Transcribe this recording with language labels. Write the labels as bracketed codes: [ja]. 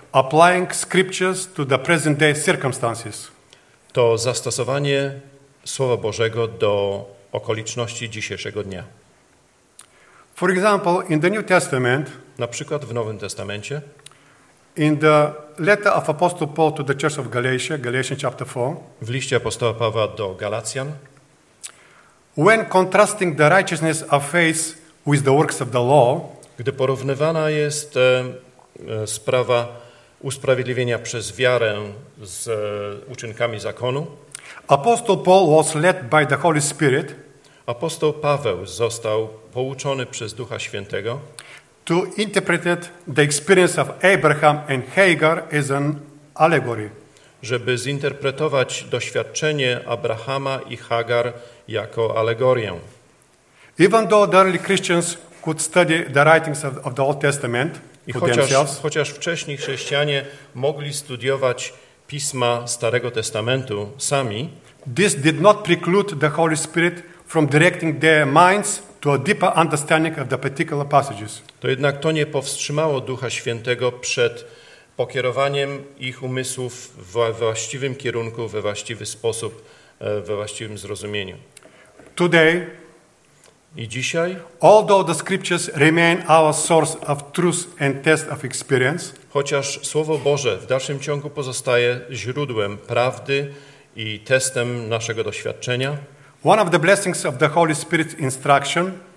[en] Applying scriptures to the present day circumstances. [pl] To zastosowanie Słowa Bożego do okoliczności dzisiejszego dnia. [en] For example, in the New Testament, [pl] na przykład w Nowym Testamencie, [en] in the letter of Apostle Paul to the church of Galatia, Galatians chapter 4, [pl] w liście apostoła Pawła do Galacjan, [en] when contrasting the righteousness of faith with the works of the law, [pl] gdy porównywana jest sprawa usprawiedliwienia przez wiarę z uczynkami zakonu, [en] Apostol Paul was led by the Holy Spirit, [pl] apostoł Paweł został pouczony przez Ducha Świętego, [en] to interpret the experience of Abraham and Hagar as an allegory, [pl] żeby zinterpretować doświadczenie Abrahama i Hagar jako alegorię. [en] Even though early Christians could study the writings of the Old Testament, [pl] i chociaż wcześniej chrześcijanie mogli studiować pisma Starego Testamentu sami, [en] this did not preclude the Holy Spirit from directing their minds to a deeper understanding of the particular passages. [pl] To jednak to nie powstrzymało Ducha Świętego przed pokierowaniem ich umysłów we właściwym kierunku, we właściwy sposób, we właściwym zrozumieniu. [en] Today, [pl] i dzisiaj, [en] although the scriptures remain our source of truth and test of experience, [pl] chociaż Słowo Boże w dalszym ciągu pozostaje źródłem prawdy i testem naszego doświadczenia, [en] one of the blessings of the Holy Spirit's instruction,